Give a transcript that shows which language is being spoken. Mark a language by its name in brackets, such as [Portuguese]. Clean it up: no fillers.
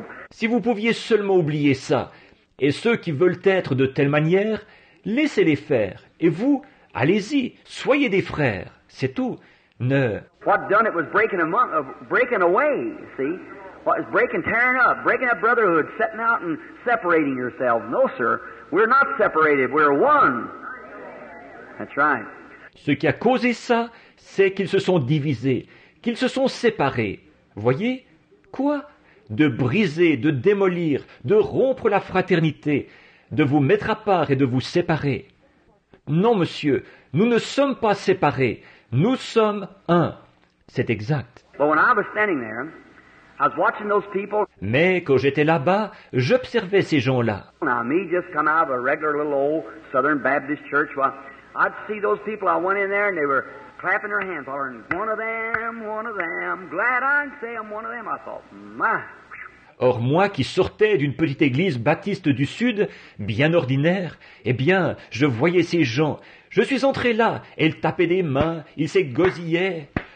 [French] Si vous pouviez seulement oublier ça, et ceux qui veulent être de telle manière, laissez-les faire. Et vous, allez-y, soyez des frères, c'est tout. Ne. [English] What done it was breaking among, breaking away, see? What is breaking, tearing up brotherhood, setting out and separating yourselves. No, sir. We're not separated, we're one. That's right. [French] Ce qui a causé ça, c'est qu'ils se sont divisés, qu'ils se sont séparés. Voyez? Quoi? De briser, de démolir, de rompre la fraternité, de vous mettre à part et de vous séparer. Non, monsieur, nous ne sommes pas séparés. Nous sommes un. C'est exact. [English] But when I was standing there, I was watching those people. [French] Mais quand j'étais là-bas, j'observais ces gens-là. [English] Now, me just come out of a regular little old Southern Baptist church. Well, I'd see those people. I went in there and they were clapping their hands. One of them, glad I say I'm one of them. I thought, my. [French] Or moi qui sortais d'une petite église baptiste du Sud, bien ordinaire, eh bien, je voyais ces gens. Je suis entré là, et ils tapaient des mains, ils s'égosillaient.